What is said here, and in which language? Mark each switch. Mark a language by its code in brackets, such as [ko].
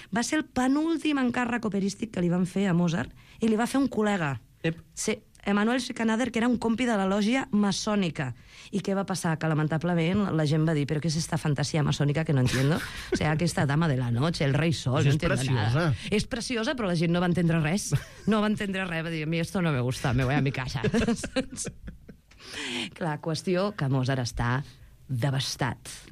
[ca] Va ser el penúltim encàrrec operístic que li van fer a Mozart, i li va fer un col·lega. Ep. Sí. Emmanuel Schikaneder, que era un compi de la lògia maçònica. I què va passar? Que lamentablement la gent va dir, però què és esta fantasia maçònica [es] que no entiendo? O sea, [ca] aquesta dama de la noche, el rei sol, [es] pues no entiendo [ca] preciosa. [es] Nada. [ca] És preciosa, però la gent no va entendre res. No va entendre res, va dir, [es] a mi esto no me gusta, me voy a mi casa. [ca] Clar, qüestió que Mozart està devastat.